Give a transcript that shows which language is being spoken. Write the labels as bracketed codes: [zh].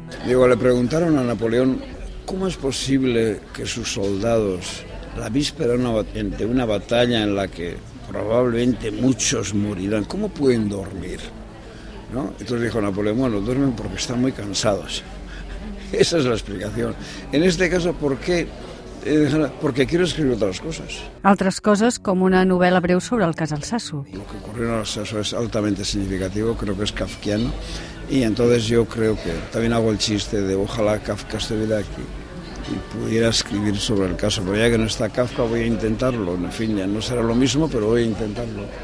[es] Digo, le preguntaron a Napoleón, ¿cómo es posible que sus soldados, la víspera de una batalla en la que probablemente muchos morirán, ¿cómo pueden dormir? ¿No? Entonces dijo Napoleón, bueno, duermen porque están muy cansados. Esa es la explicación. En este caso, ¿por qué? Porque quiero escribir otras cosas. [ca] Altres coses, com una novel·la breu sobre el cas Altsasu. [es] Lo que ocurrió en Altsasu es altamente significativo, creo que es kafkiano. Y entonces yo creo que también hago el chiste de ojalá Kafka estuviera aquí y pudiera escribir sobre el caso. Pero ya que no está Kafka, voy a intentarlo. En fin, ya no será lo mismo, pero voy a intentarlo.